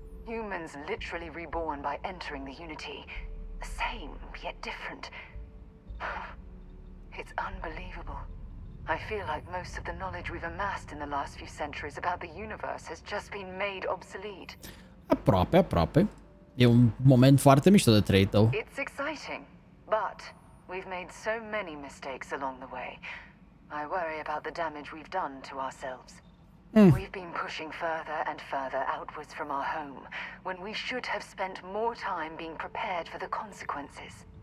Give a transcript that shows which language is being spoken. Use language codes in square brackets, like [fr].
[en] Humans literally reborn by entering the unity. The same, yet different. It's unbelievable. I feel like most of the knowledge we've amassed in the last few centuries about the universe has just been made obsolete. [ro] Aproape, aproape. E un moment foarte mișto de trăit, [en] though. It's exciting, but we've made so many mistakes along the way. I worry about the damage we've done to ourselves. We've been pushing further and further outwards from our home, when we should have spent more time being prepared for the consequences.